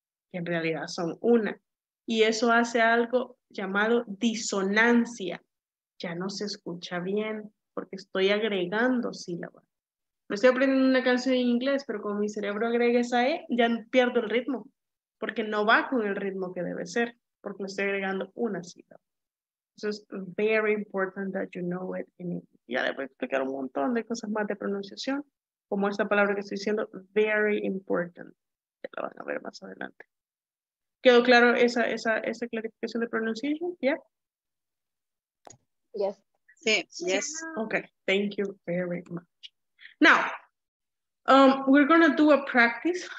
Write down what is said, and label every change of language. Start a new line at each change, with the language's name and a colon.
Spanish: Que en realidad son una. Y eso hace algo llamado disonancia. Ya no se escucha bien porque estoy agregando sílabas. Me estoy aprendiendo una canción en inglés, pero como mi cerebro agrega esa E, ya pierdo el ritmo. Porque no va con el ritmo que debe ser. Porque me estoy agregando una sílaba.
English: So it's very important that you know it in English.
Spanish: Ya le voy a explicar un montón de cosas más de pronunciación, como esta palabra que estoy diciendo, very important. Ya la van a ver más adelante. ¿Quedó claro esa clarificación de pronunciación? ¿Ya? Yeah?
English: Yes.
Spanish: Sí, yes.
English: Okay, thank you very much. Now, we're going to do a practice.